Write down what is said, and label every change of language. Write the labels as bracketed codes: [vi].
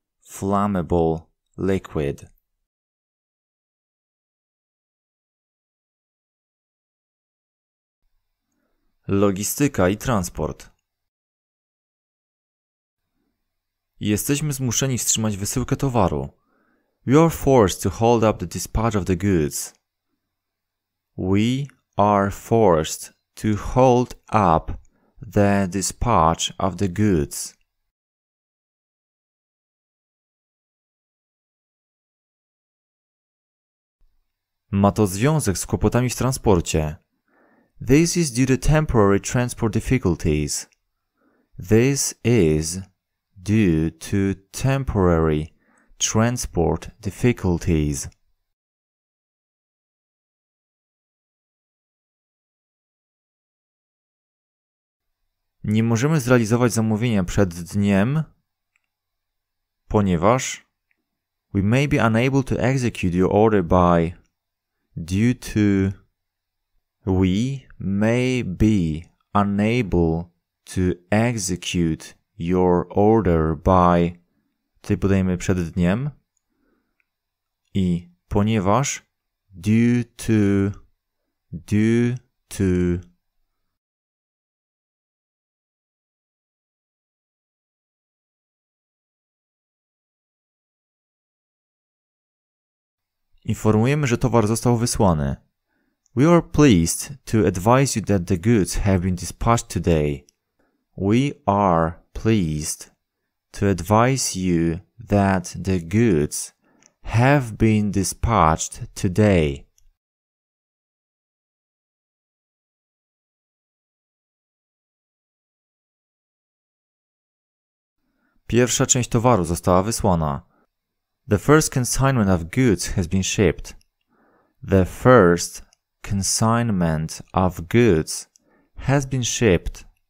[en] Flammable liquid. [pl] Logistyka i transport. Jesteśmy zmuszeni wstrzymać wysyłkę towaru. [en] We are forced to hold up the dispatch of the goods. We are forced to hold up the dispatch of the goods. [pl] Ma to związek z kłopotami w transporcie. [en] This is due to temporary transport difficulties. This is due to temporary transport difficulties. [pl] Nie możemy zrealizować zamówienia przed dniem, ponieważ [en] we may be unable to execute your order by due to we may be unable to execute your order by. [pl] Tutaj podajemy przed dniem i ponieważ [en] due to [pl] informujemy, że towar został wysłany. [en] We are pleased to advise you that the goods have been dispatched today. We are pleased to advise you that the goods have been dispatched today. [pl] Pierwsza część towaru została wysłana. [en] The first consignment of goods has been shipped. The first consignment of goods has been shipped.